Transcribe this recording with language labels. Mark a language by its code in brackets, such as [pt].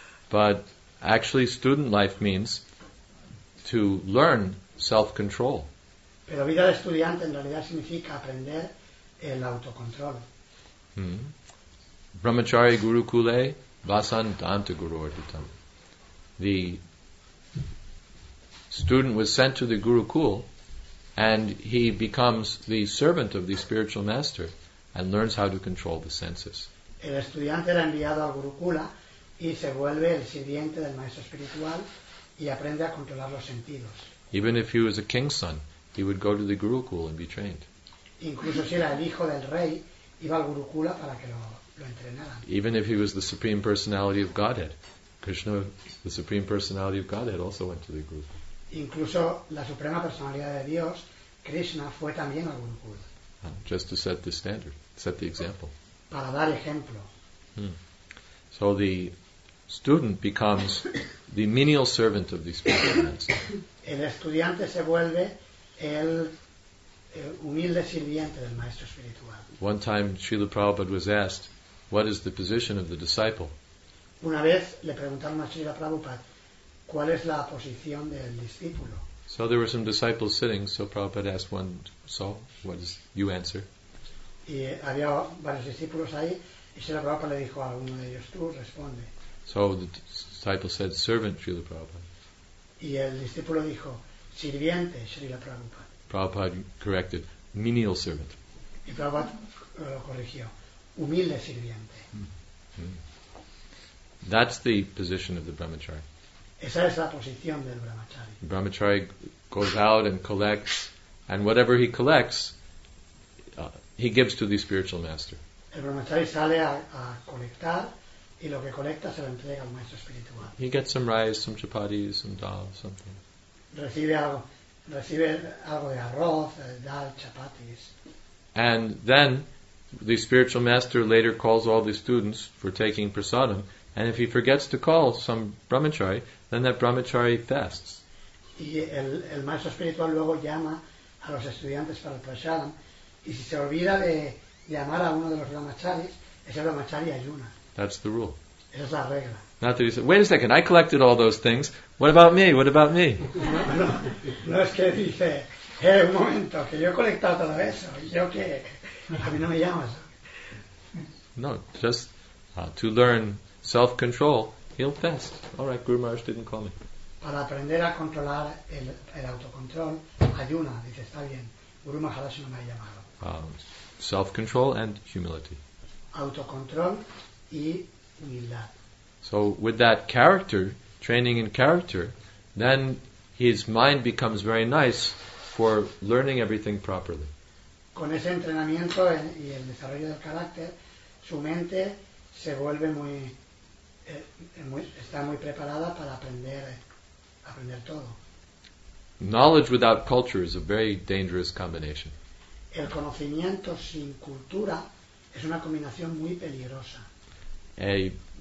[en] But actually, student life means to learn self-control. [es] Pero vida de estudiante en realidad significa aprender el autocontrol. [sa] Brahmachari Gurukule Vasan Danta Guru Arditam. [en] The student was sent to the Gurukul. And he becomes the servant of the spiritual master and learns how to control the senses. [es] El estudiante era enviado al Gurukula y se vuelve el sirviente del maestro espiritual y aprende a controlar los sentidos. [en] Even if he was a king's son, he would go to the Gurukula and be trained. [es] Incluso si era el hijo del rey, iba al Gurukula para que lo entrenaran. [en] Even if he was the supreme personality of Godhead, Krishna, the supreme personality of Godhead, also went to the Gurukula. [es] Incluso la suprema personalidad de Dios, Krishna, fue también al Gurukula. [en] Just to set the standard, set the example. [es] Para dar ejemplo. [en] So the student becomes the menial servant of the spiritual master. [es] El estudiante se vuelve el humilde sirviente del maestro espiritual. [en] One time Srila Prabhupada was asked, what is the position of the disciple? [es] Una vez le preguntaron a Srila Prabhupada, ¿cuál es la posición del discípulo? [en] So there were some disciples sitting, so Prabhupada asked one, so what is you answer? [es] Y había varios discípulos ahí, y Srila Prabhupada le dijo a uno de ellos, tú responde. [en] So the disciple said, servant, Srila Prabhupada. [es] Y el discípulo dijo, sirviente, Srila Prabhupada. [en] Prabhupada corrected, menial servant. [es] Y Prabhupada lo corrigió, humilde sirviente. [en] That's the position of the brahmachari. [es] Esa es la posición del brahmachari. [en] The brahmachari goes out and collects, and whatever he collects, he gives to the spiritual master. [es] El brahmachari sale a colectar, y lo que colecta se lo entrega al maestro espiritual. [en] He gets some rice, some chapatis, some dal, something. [es] Recibe algo de arroz, dal, chapatis. [en] And then the spiritual master later calls all the students for taking prasadam. And if he forgets to call some brahmachari, then that brahmachari fasts. [es] Y el maestro espiritual luego llama a los estudiantes para el prasadam. Y si se olvida de llamar a uno de los brahmacharis, ese brahmachari ayuna. [en] That's the rule. [es] Esa es la regla. [en] Not that he said, wait a second, I collected all those things. What about me? What about me? [es] No es que dice, hey, un momento, que yo he colectado todo eso. Yo qué. A mí no me llamas. [en] No, just to learn self-control, he'll fast. All right, Guru Maharaj didn't call me. [es] Para aprender a controlar el autocontrol, ayuna, dice, está bien. Guru Maharaj no me ha llamado. [en] Self-control and humility. [es] Autocontrol y humildad. [en] So with that character, training in character, then his mind becomes very nice for learning everything properly. [es] Con ese entrenamiento y el desarrollo del carácter, su mente se vuelve muy... está muy preparada para aprender todo. [en] Knowledge without culture is a very dangerous combination. [es] El conocimiento sin cultura es una combinación muy peligrosa.